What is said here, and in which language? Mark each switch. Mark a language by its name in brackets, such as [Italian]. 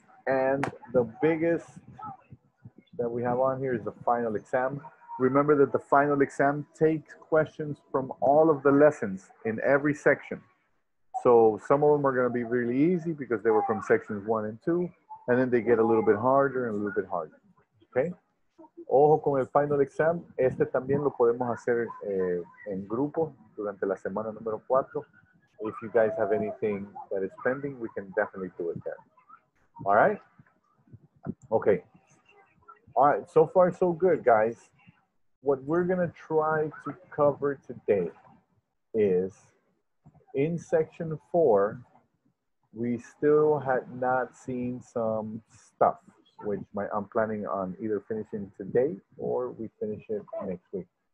[English] And the biggest that we have on here is the final exam. Remember that the final exam takes questions from all of the lessons in every section. So some of them are gonna be really easy because they were from sections 1 and 2. And then they get a little bit harder and a little bit harder, okay? [Spanish] Ojo con el final exam. Este también lo podemos hacer en grupo durante la semana número 4. [English] If you guys have anything that is pending, we can definitely do it there. All right? Okay. All right, so far so good, guys. What we're gonna try to cover today is in section 4, we still had not seen some stuff, which I'm planning on either finishing today or we finish it next week.